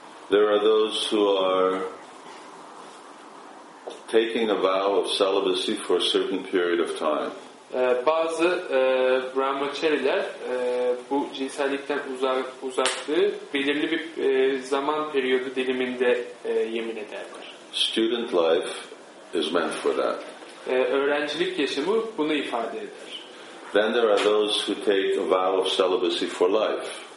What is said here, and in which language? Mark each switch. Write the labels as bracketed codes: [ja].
[en] There are those who are taking a vow of celibacy for a certain period of time. [tr] Bazı brahmacariler bu cinsellikten uzaklığı belirli bir zaman periyodu diliminde yemin ederler. [en] Student life is meant for that. [tr] Öğrencilik yaşamı bunu ifade eder. [en] Then there are those who take a vow of celibacy for life.